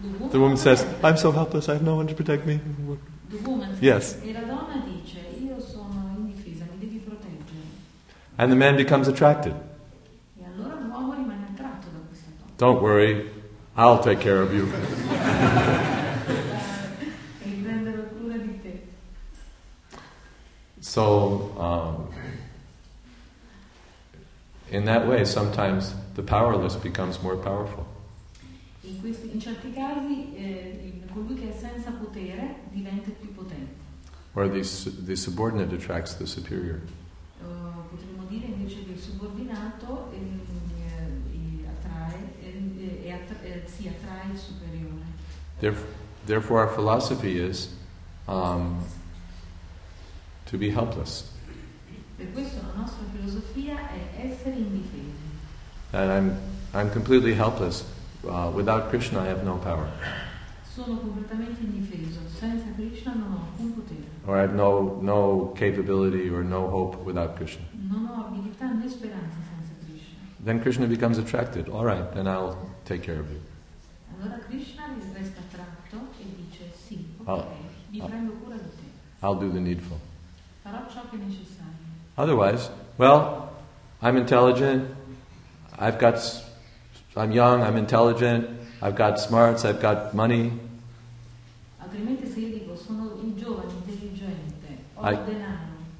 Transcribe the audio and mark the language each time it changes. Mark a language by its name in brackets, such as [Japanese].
[English] The woman says, "I'm so helpless, I have no one to protect me." The woman says, yes. [Italian] E la donna dice, "Io sono indifesa, mi devi proteggere." [English] And the man becomes attracted. [Italian] E allora l'uomo rimane attratto da questa donna. [English] "Don't worry, I'll take care of you." [Italian] E prenderò cura di te. [English] So, in that way, sometimes the powerless becomes more powerful. [Italian] In certi casi colui che è senza potere diventa più potente. [English] Or the subordinate attracts the superior. [Italian] Potremmo dire invece che il subordinato attrae il superiore. [English] Therefore our philosophy is to be helpless. [Italian] Per questo la nostra filosofia è essere indifesi. [English] And I'm completely helpless. Without Krishna, I have no power. [Italian] Sono completamente indifeso. Senza Krishna non ho alcun potere. [English] Or I have no capability or no hope without Krishna. [Italian] Non ho abilità né speranza senza Krishna. [English] Then Krishna becomes attracted. All right, then I'll take care of you. [Italian] Allora Krishna resta attratto e dice sì, ok, mi prendo cura di te. [English] I'll do the needful. [Italian] Farò ciò che è necessario. [English] Otherwise, well, I'm intelligent. I've got. I'm young, I'm intelligent, I've got smarts, I've got money. [Italian] Altrimenti se io dico sono il giovane, intelligente, ho il denaro.